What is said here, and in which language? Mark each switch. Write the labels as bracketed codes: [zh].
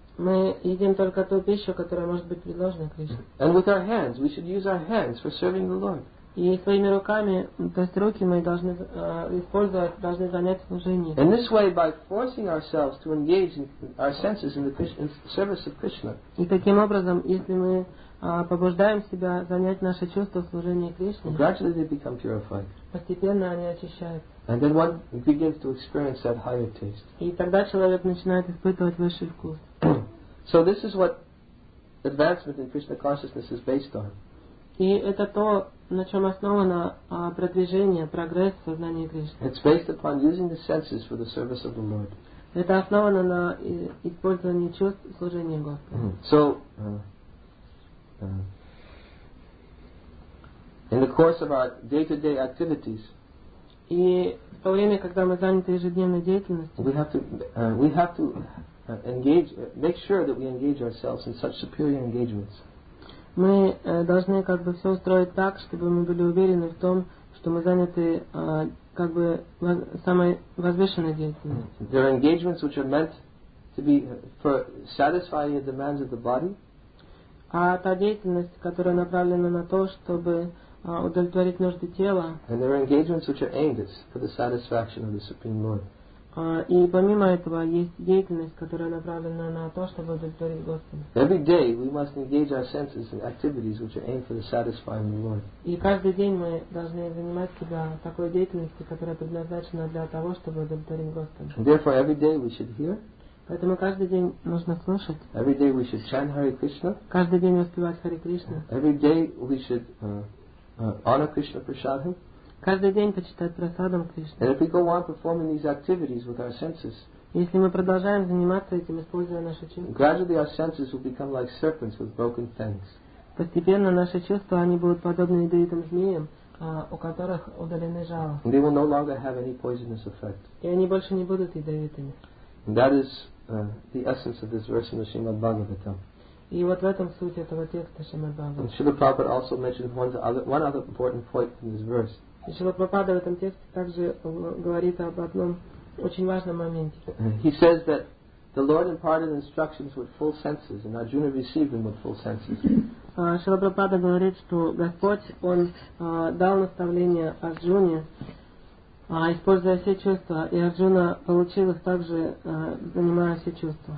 [ru] Мы едим только ту пищу, которая может быть предложена Кришне. [en] And with our hands, we should use our hands for serving the Lord. [ru] И своими руками, то есть руки мы должны использовать, должны занять служение. [en] In this way, by forcing ourselves to engage in our senses in the service of Krishna. [ru] И таким образом, если мы побуждаем себя занять наши чувства служения Кришне. [en] Gradually they become purified. [ru] Постепенно они очищаются. [en] And then one begins to experience that higher taste. [ru] И тогда человек начинает испытывать высший вкус. [en] So this is what advancement in Krishna consciousness is based on. [ru] И это то, на чем основано продвижение, прогресс в сознании Кришны. [en] It's based upon using the senses for the service of the Lord. [ru] Это основано на использовании чувств служения Господу. [en] So, in the course of our day-to-day activities, [ru] и в то время, когда мы заняты ежедневной деятельностью, [en] we have to make sure that we engage ourselves in such superior engagements. [ru] Мы должны как бы все устроить так, чтобы мы были уверены в том, что мы заняты как бы самой возвышенной деятельностью. [en] There are engagements which are meant to be for satisfying the demands of the body. [ru] А та деятельность, которая направлена на то, чтобы удовлетворить нужды тела. [en] And there are engagements which are aimed at for the satisfaction of the Supreme Lord. [ru] И помимо этого есть деятельность, которая направлена на то, чтобы удовлетворить Господа. [en] Every day we must engage our senses in activities which are aimed for the satisfying the Lord. [ru] И каждый день мы должны занимать себя такой деятельностью, которая предназначена для того, чтобы удовлетворить Господа. [en] Therefore, every day we should hear. [ru] Поэтому каждый день нужно слушать. [en] Every day we should chant Hare Krishna. [ru] Каждый день воспевать Харе Кришна. [en] Every day we should honor Krishna Prasadam. [ru] Каждый день почитать прасадом Кришне. [en] And if we go on performing these activities with our senses, [ru] если мы продолжаем заниматься этим, используя наши чувства, [en] gradually our senses will become like serpents with broken fangs. [ru] Постепенно наши чувства, они будут подобны ядовитым змеям, у которых удалены жало. [en] And they will no longer have any poisonous effect. [ru] И они больше не будут ядовитыми. [en] And that is the essence of this verse in the Srimad Bhagavatam. [ru] И вот в этом суть этого текста Шримад Бхагаватам. [en] Srila Prabhupada also mentioned one other important point in this verse. [ru] И Шрила Прабхупада в этом тексте также говорит об одном очень важном моменте. [en] He says that the Lord imparted instructions with full senses, and Arjuna received them with full senses. [ru] Шрила Прабхупада говорит, что Господь, он дал наставление Арджуне Используя все чувства, и Арджуна получил их также, занимая все чувства.